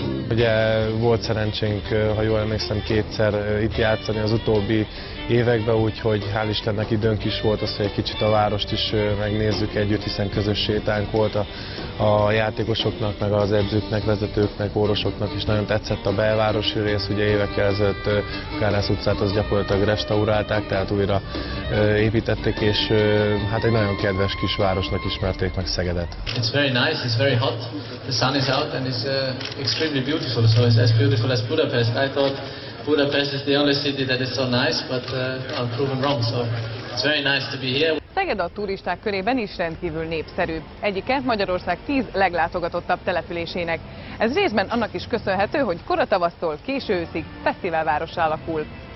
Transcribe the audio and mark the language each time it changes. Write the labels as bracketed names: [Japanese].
[Hungarian] Ugye volt szerencsénk, ha jól emlékszem, kétszer itt játszani az utóbbi években, úgyhogy hál' Istennek időnk is volt az, hogy egy kicsit a várost is megnézzük együtt, hiszen közös sétánk volt a játékosoknak, meg az edzőknek, vezetőknek, orvosoknak is nagyon tetszett a belvárosi rész, ugye évekkel ezelőtt Kárász utcát az gyakorlatilag restaurálták, tehát újra építették, és hát egy nagyon kedves kis városnak ismerték meg Szegedet. [English] It's very nice, it's very hot, the sun is out and it's extremely beautiful, so it's as beautiful as Budapest, I thought. Budapest is the only city that is so nice, but I'm proven wrong, so it's very nice to be here. [Hungarian] Szeged a turisták körében is rendkívül népszerű. Egyike Magyarország 10 leglátogatottabb településének. Ez részben annak is köszönhető, hogy kora tavasztól késő őszig fesztiválváros alakul.